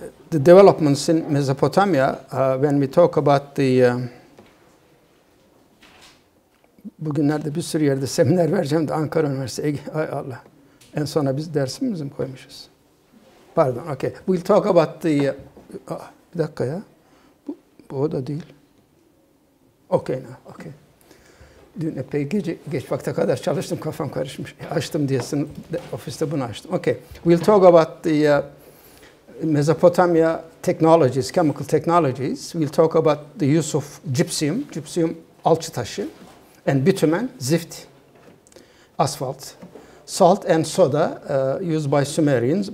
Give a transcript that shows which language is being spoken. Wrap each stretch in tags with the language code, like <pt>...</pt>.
<en>The developments in Mesopotamia when we talk about the.</en> <tr>Bugünlerde bir sürü yerde seminer vereceğim de Ankara Üniversitesi. Ay Allah. En sona biz dersimizi mi koymuşuz? Pardon, okay.</tr> <en>We'll talk about the.</en> <tr>Bir dakika ya. Bu o da değil.</tr> <en>Okay, no, okay.</en> <tr>Dün epey geç vakte kadar çalıştım, kafam karışmış. Açtım diyesin, ofiste bunu açtım.</tr> <en>Okay, we'll talk about the Mesopotamia technologies, chemical technologies. We'll talk about the use of gypsum, gypsum</en> <tr>alçı taşı,</tr> <en>and bitumen, zift, asphalt, salt and soda used by Sumerians.</en>